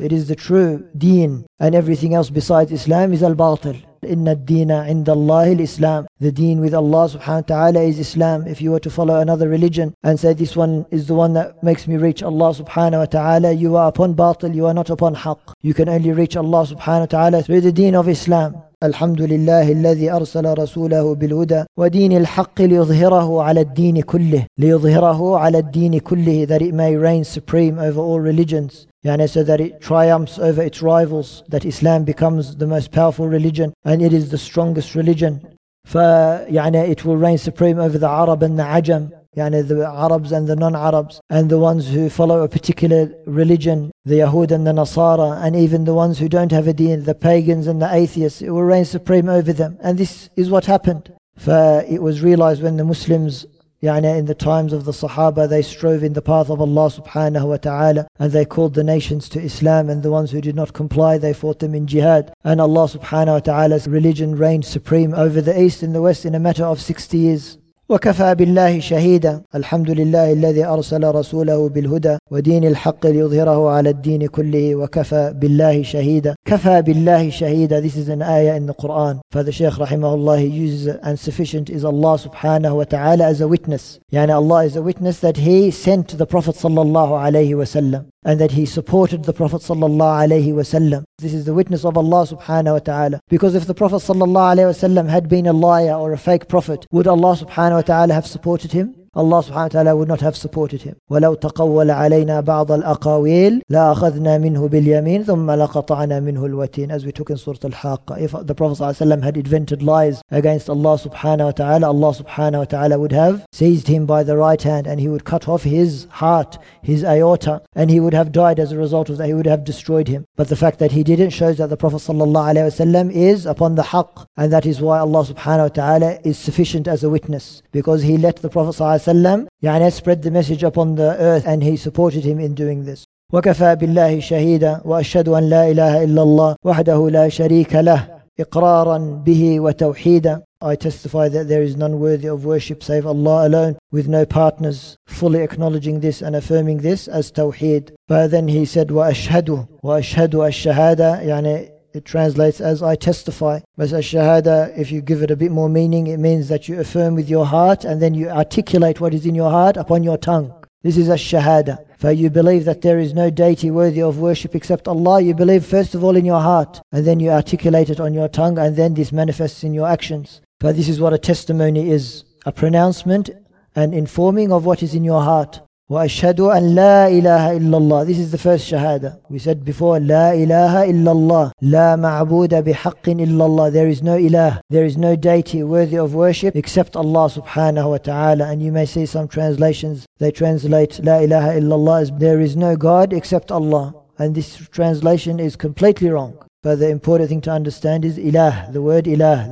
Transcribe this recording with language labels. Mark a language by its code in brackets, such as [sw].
[en] It is the true deen. And everything else besides Islam is al-batil. [ar] إِنَّ الدِّينَ عِنْدَ اللَّهِ الْإِسْلَامِ. [en] The deen with Allah subhanahu wa ta'ala is Islam. If you were to follow another religion and say this one is the one that makes me reach Allah subhanahu wa ta'ala, you are upon batil, you are not upon haq. You can only reach Allah subhanahu wa ta'ala through the deen of Islam. [ar] الحمد لله الذي أرسل رسوله بالهدى ودين الحق ليظهره على الدين كله. ليظهره على الدين كله, [en] that it may reign supreme over all religions. يعني so that it triumphs over its rivals, that Islam becomes the most powerful religion and it is the strongest religion. فيعني it will reign supreme over the Arab and the Ajam. يعني the Arabs and the non-Arabs, and the ones who follow a particular religion, the Yahud and the Nasara, and even the ones who don't have a deen, the pagans and the atheists, it will reign supreme over them. And this is what happened. For it was realized when the Muslims Yani in the times of the Sahaba, they strove in the path of Allah subhanahu wa ta'ala, and they called the nations to Islam, and the ones who did not comply, they fought them in jihad. And Allah subhanahu wa ta'ala's religion reigned supreme over the East and the West in a matter of 60 years. [ar] وكفى بالله شهيدا الحمد لله الذي أرسل رسوله بالهدى ودين الحق ليظهره على الدين كله وكفى بالله شهيدا كفى بالله شهيدا. [en] This is an ayah in the Quran. Father Sheikh rahimahullah, he uses, and sufficient is Allah subhanahu wa ta'ala as a witness. يعني Allah is a witness that he sent the Prophet sallallahu alayhi wa sallam, and that he supported the Prophet sallallahu alayhi wa sallam. This is the witness of Allah subhanahu wa ta'ala. Because if the Prophet sallallahu alayhi wa sallam had been a liar or a fake prophet, would Allah subhanahu wa ta'ala have supported him? Allah subhanahu wa ta'ala would not have supported him. [ar] وَلَوْ تَقَوَّلَ عَلَيْنَا بَعْضَ الْأَقَاوِيلِ لَأَخَذْنَا مِنْهُ بِالْيَمِينِ ثُمَّ لَقَطَعْنَا مِنْهُ الْوَتِينَ. [en] As we took in Surah Al-Haqqa, if the Prophet sallallahu alayhi wa sallam had invented lies against Allah subhanahu wa ta'ala, Allah subhanahu wa ta'ala would have seized him by the right hand, and he would cut off his heart, his aorta, and he would have died as a result of that. He would have destroyed him. But the fact that he didn't shows that the Prophet sallallahu alayhi wa sallam is upon the haqq, and that is why Allah subhanahu wa ta'ala is sufficient as a witness, because he let the Prophet sallallahu alayhi wa sallam, يعني spread the message upon the earth, and he supported him in doing this. [ar] وكفى بالله شهيدا وأشهد أن لا إله إلا الله وحده لا شريك له إقرارا به وتوحيدا. [en] I testify that there is none worthy of worship save Allah alone, with no partners, fully acknowledging this and affirming this as Tawheed. But then he said, [ar] وأشهد وأشهد الشهادة, [en] يعني it translates as I testify. But as shahada, if you give it a bit more meaning, it means that you affirm with your heart and then you articulate what is in your heart upon your tongue. This is as shahada. For you believe that there is no deity worthy of worship except Allah, you believe first of all in your heart, and then you articulate it on your tongue, and then this manifests in your actions. For this is what a testimony is, a pronouncement and informing of what is in your heart. [ar] وَأَشْهَدُ أَنْ لَا إِلَهَ إِلَّا اللَّهِ. [en] This is the first shahada. We said before, [ar] لَا إِلَهَ إِلَّا اللَّهِ لَا مَعْبُودَ بِحَقٍ إِلَّا اللَّهِ. [en] There is no ilah, there is no deity worthy of worship except Allah subhanahu wa ta'ala. And you may see some translations, they translate [ar] لَا إِلَهَ إِلَّا اللَّهِ [en] as there is no God except Allah. And this translation is completely wrong. But the important thing to understand is ilah, the word ilah.